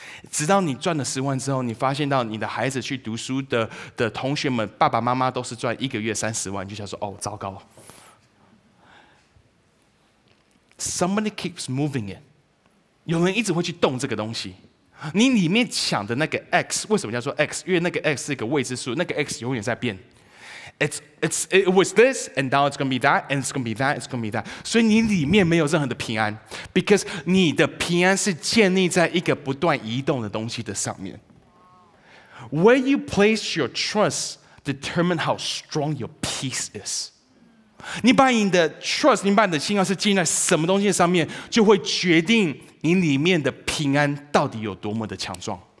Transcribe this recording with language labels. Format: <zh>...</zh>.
<zh>直到你赚了100000之后，你发现到你的孩子去读书 的同学们爸爸妈妈都是赚一个月300000，就想说哦糟糕。</zh> <en>Somebody keeps moving it，</en> <zh>有人一直会去动这个东西。你里面想的那个 X， 为什么叫做 X？ 因为那个 X 是一个未知数，那个 X 永远在变。</zh> <en>It was this, and now it's gonna be that, and it's gonna be that, it's gonna be that.</en> <zh>所以你里面没有任何的平安 ，</zh> <en>because</en> <zh>你的平安是建立在一个不断移动的东西的上面。</zh> <en>Where you place your trust determines how strong your peace is.</en> <zh>你把你的</zh> <en>trust，</en> <zh>你把你的信仰是建立在什么东西上面，就会决定你里面的平安到底有多么的强壮。</zh>